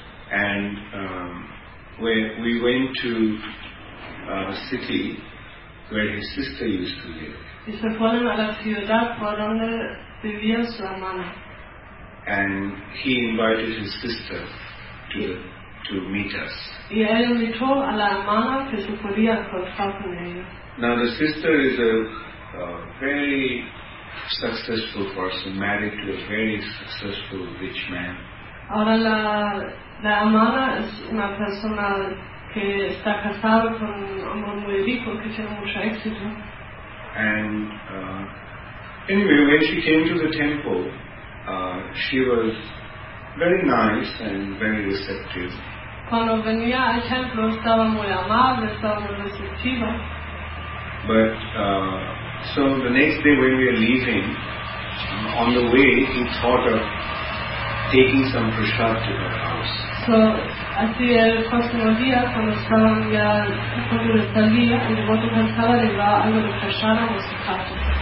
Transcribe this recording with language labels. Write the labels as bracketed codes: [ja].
[en] And we went to a city where his sister used to live. [es] Y se fueron a la ciudad por donde vivía su hermana. [en] And he invited his sister to meet us. [es] Y él invitó a la hermana que se podía encontrar con ella. [en] Now the sister is a very successful person, married to a very successful rich man. [es] Ahora la hermana es una persona que está casada con un hombre muy rico que tiene mucho éxito. [en] And anyway, when she came to the temple, she was very nice and very receptive. [es] Cuando venía al templo estaba muy amable, estaba muy receptiva. [en] But so the next day when we are leaving, on the way he thought of taking some prasad to her house. [es] So así el próximo día cuando estaban ya cuando salía el devoto pensaba de llevar algo de prasad a su casa.